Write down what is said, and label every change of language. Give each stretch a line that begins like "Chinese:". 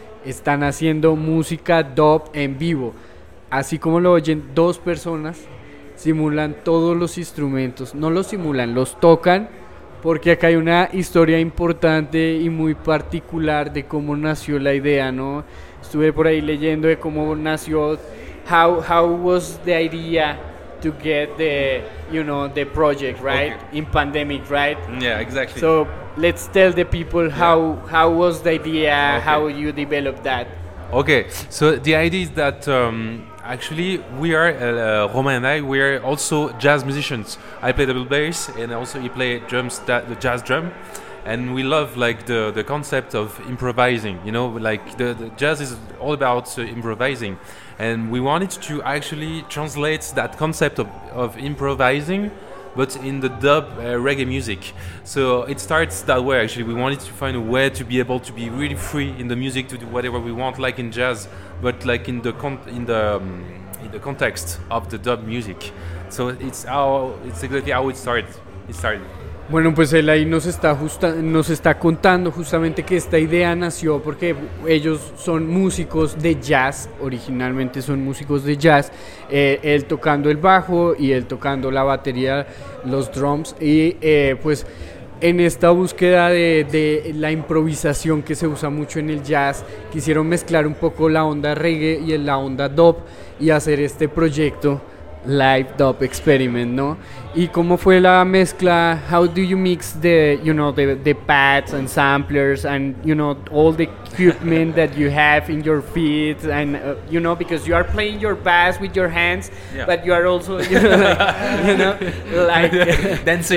Spanish: Están haciendo música dub en vivo. Así como lo oyen, dos personas simulan todos los instrumentos. No los simulan, los tocan, porque acá hay una historia importante y muy particular de cómo nació la idea, ¿no? Estuve por ahí leyendo de cómo nació...
English: How was the idea to get the, you know, the project, right? Okay. In pandemic, right? Yeah, exactly. So let's tell the people how was the idea, how you developed that. Okay, so the idea is that actually we are, Romain and I, we are also jazz musicians. I play double bass and also he play drums, the jazz drum. And we love like the concept of improvising, you know, like the jazz is all about improvising. And we wanted to actually translate that concept of improvising, but in the dub reggae music. So it starts that way, actually. We wanted to find a way to be able to be really free in the music, to do whatever we want, like in jazz, but like in the context of the dub music. So it's exactly how it started.
Spanish: Bueno, pues él ahí nos está contando justamente que esta idea nació porque ellos son músicos de jazz, originalmente son músicos de jazz, él tocando el bajo y él tocando la batería, los drums, y pues en esta búsqueda de la improvisación que se usa mucho en el jazz, quisieron mezclar un poco la onda reggae y la onda dub y hacer este proyecto Live Dub Experiment, ¿no? ¿Y cómo fue la mezcla?
English: How do you mix the, you know, the pads and samplers and, you know, all the equipment that you have in your feet and, you know, because you are playing your bass with your hands, yeah. But you are also, you know, like dancing.